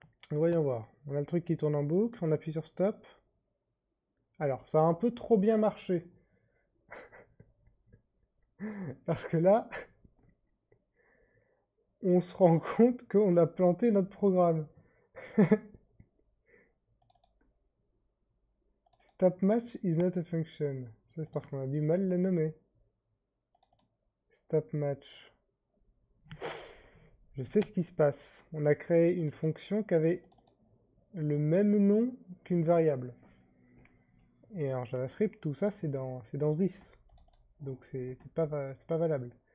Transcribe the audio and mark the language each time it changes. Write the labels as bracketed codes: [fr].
[fr] Voyons voir. On a le truc qui tourne en boucle, on appuie sur stop. Alors, ça a un peu trop bien marché. Parce que là, on se rend compte qu'on a planté notre programme. [en] Stop match is not a function. [fr] C'est parce qu'on a du mal à le nommer. Stop match. Je sais ce qui se passe. On a créé une fonction qui avait le même nom qu'une variable. Et en JavaScript, tout ça c'est dans this. Donc c'est pas valable.